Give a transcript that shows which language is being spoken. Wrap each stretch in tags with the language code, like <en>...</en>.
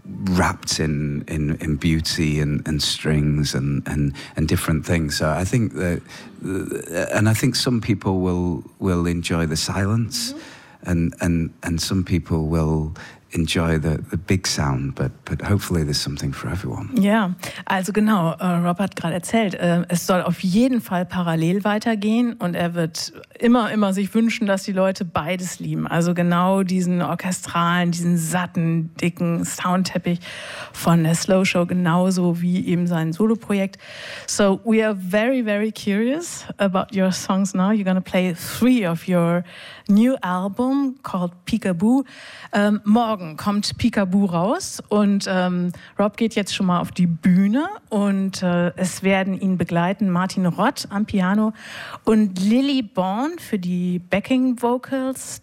<en>wrapped in beauty and strings and different things. So I think that, and I think some people will enjoy the silence, mm-hmm. and some people will enjoy the big sound, but hopefully there's something for everyone.</en> <de>Yeah, also genau, Rob hat gerade erzählt, es soll auf jeden Fall parallel weitergehen und er wird immer sich wünschen, dass die Leute beides lieben. Also genau diesen orchestralen, diesen satten, dicken Soundteppich von der Slow Show, genauso wie eben sein Soloprojekt.</de> <en>So we are very, very curious about your songs now. You're going to play three of your new album called Peekaboo.</en> <de>Morgen kommt Peekaboo raus und Rob geht jetzt schon mal auf die Bühne und es werden ihn begleiten Martin Rott am Piano und Lily Born für die Backing Vocals.</de>